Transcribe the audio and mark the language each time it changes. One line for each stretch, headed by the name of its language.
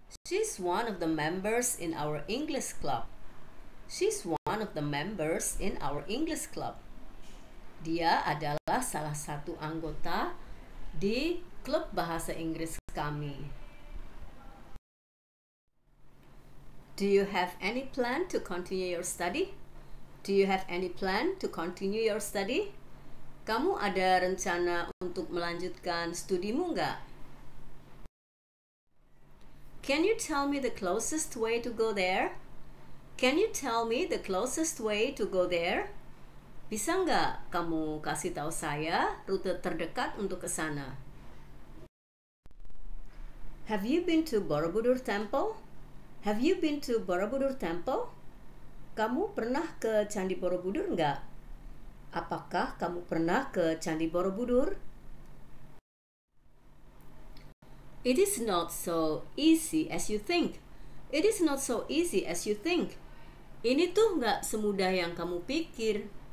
English: She's one of the members in our English club. She's one of the members in our English club.
Indonesian: Dia adalah salah satu anggota di klub bahasa Inggris kami.
English: Do you have any plan to continue your study? Do you have any plan to continue your study?
Indonesian: Kamu ada rencana untuk melanjutkan studimu enggak?
English: Can you tell me the closest way to go there? Can you tell me the closest way to go there?
Indonesian: Bisa enggak kamu kasih tahu saya rute terdekat untuk ke sana?
English: Have you been to Borobudur Temple? Have you been to Borobudur Temple?
Indonesian: Kamu pernah ke Candi Borobudur enggak? Apakah kamu pernah ke Candi Borobudur?
English: It is not so easy as you think. It is not so easy as you think.
Indonesian: Ini tuh enggak semudah yang kamu pikir.